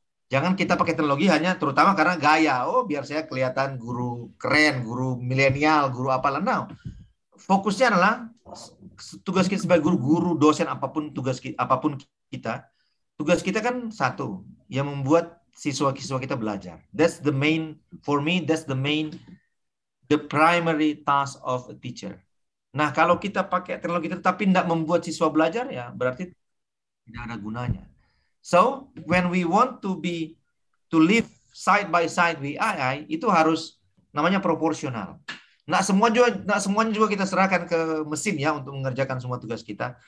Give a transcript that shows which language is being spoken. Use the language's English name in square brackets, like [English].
[Indonesian] Jangan kita pakai teknologi hanya terutama karena gaya. Oh, biar saya kelihatan guru keren, guru milenial, guru apalah. Now, fokusnya adalah tugas kita sebagai guru, dosen, apapun tugas kita, apapun kita. Tugas kita kan satu, yang membuat siswa-siswa kita belajar. [English] That's the main, for me, that's the main, the primary task of a teacher. [Indonesian] Nah, kalau kita pakai teknologi tetapi tidak membuat siswa belajar, ya berarti tidak ada gunanya. [English] So, when we want to live side by side with AI, [Indonesian] itu harus namanya proporsional. Nggak semuanya juga kita serahkan ke mesin ya untuk mengerjakan semua tugas kita.